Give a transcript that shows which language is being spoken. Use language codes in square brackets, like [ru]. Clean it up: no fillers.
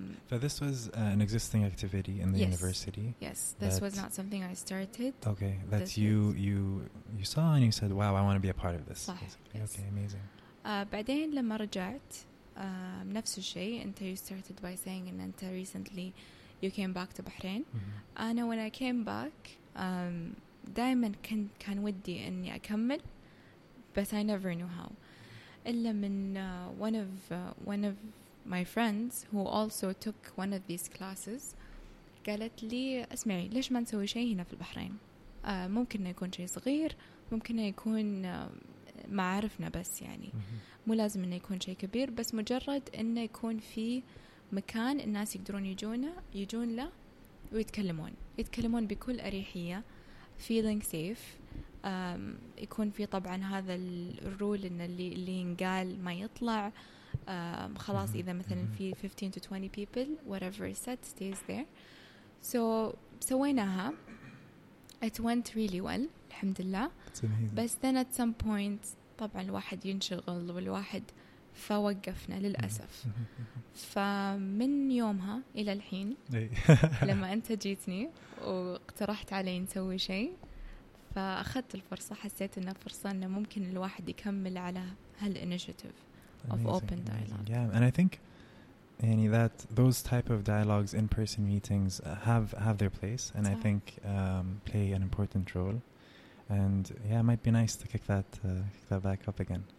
[en] But this was an existing activity in the yes. university. Yes, this was not something I started. Okay, that you saw and you said, wow, I want to be a part of this. Yes. Okay, amazing. [ar] بعدين لما رجعت نفس الشيء. أنت [en] you started by saying [ar] إن أنت [en] recently you came back to Bahrain. Mm-hmm. [ar] أنا [en] when I came back [ar] دائما كان ودي إني أكمل [en] but I never knew how. [ar] إلا من [en] one of my friends who also took one of these classes [ar] قالت لي اسمعي ليش ما نسوي شيء هنا في البحرين ممكن يكون شيء صغير ممكن يكون معارفنا بس يعني مو لازم إنه يكون شيء كبير بس مجرد إنه يكون في مكان الناس يقدرون يجون له ويتكلمون بكل أريحية [en] feeling safe [ar] يكون في طبعا هذا الرول إن اللي ينقال ما يطلع خلاص إذا مثلاً في [en] 15 to 20 people whatever is said stays there. So [ar] سويناها [en] it went really well [ar] الحمد لله. بس [en] then at some point [ar] طبعاً الواحد ينشغل والواحد فوقفنا للأسف. فمن يومها إلى الحين لما أنت جيتني واقترحت علي نسوي شيء فأخذت الفرصة حسيت إن فرصة إنه ممكن الواحد يكمل على هالإنيشيتيف. [en] Of open dialogue. Yeah, and I think any that those type of dialogues, in-person meetings have their place, and I think play an important role. And yeah, it might be nice to kick that back up again.